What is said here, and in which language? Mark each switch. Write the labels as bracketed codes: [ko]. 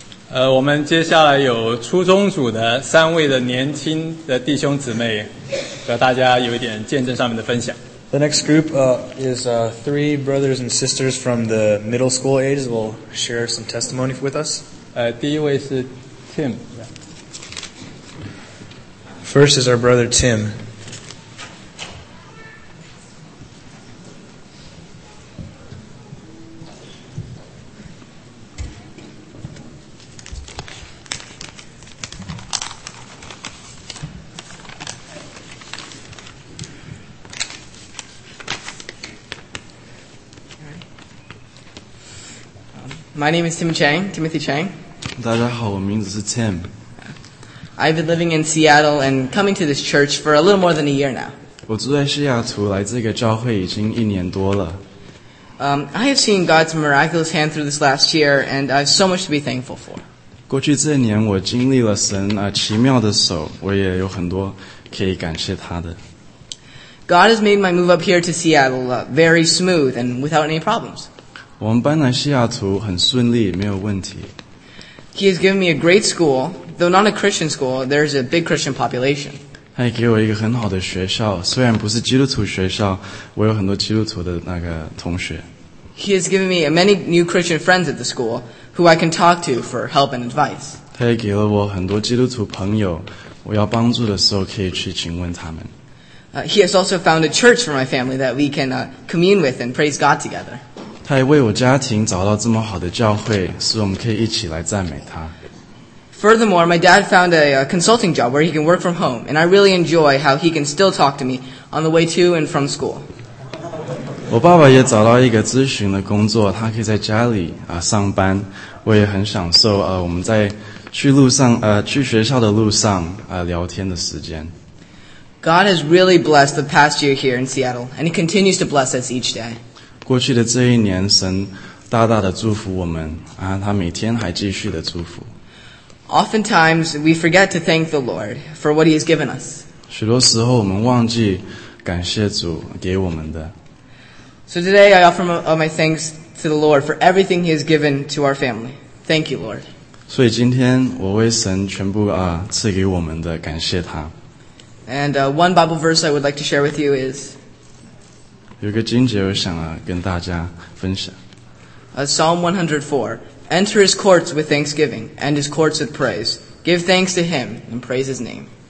[zh] 我们接下来有初中组的三位的年轻的弟兄姊妹和大家有一点见证上面的分享。 [en] The next group three brothers and sisters from the middle school age will share some testimony with us. [zh] 第一位是 Tim. [en] First is our brother Tim. My name is Tim Chang, Timothy Chang. [zh] 大家好，我名字是 Tim. [en] I've been living in Seattle and coming to this church for a little more than a year now. [zh] 我住在西雅图，来这个教会已经一年多了。 [en] I have seen God's miraculous hand through this last year, and I have so much to be thankful for. [zh] 过去这年，我经历了神奇妙的手，我也有很多可以感谢他的。 [en] God has made my move up here to Seattle very smooth and without any problems. [zh] 我们搬来西雅图很顺利，没有问题。 [en] He has given me a great school, though not a Christian school. There's a big Christian population. [zh] 他也给我一个很好的学校，虽然不是基督徒学校，我有很多基督徒的那个同学。 [en] He has given me many new Christian friends at the school, who I can talk to for help and advice. [zh] 他也给了我很多基督徒朋友，我要帮助的时候可以去请问他们。 [en] He has also found a church for my family that we can commune with and praise God together. [zh] 他也为我家庭找到这么好的教会，使我们可以一起来赞美他。 [en] Furthermore, my dad found a consulting job where he can work from home, and I really enjoy how he can still talk to me on the way to and from school. [zh] 我爸爸也找到一个咨询的工作，他可以在家里上班，我也很享受我们在去路上去学校的路上聊天的时间。 [en] God has really blessed the past year here in Seattle, and He continues to bless us each day. [zh] 过去的这一年，神大大的祝福我们啊！他每天还继续的祝福。 [en] Oftentimes we forget to thank the Lord for what He has given us. [zh] 许多时候我们忘记感谢主给我们的。 [en] So today I offer my thanks to the Lord for everything He has given to our family. Thank you, Lord. [zh] 所以今天我为神全部赐给我们的感谢他。 [en] And one Bible verse I would like to share with you is. [zh] 有个经节我想跟大家分享。 [en] Psalm 104. Enter his courts with thanksgiving, and his courts with praise. Give thanks to him, and praise his name.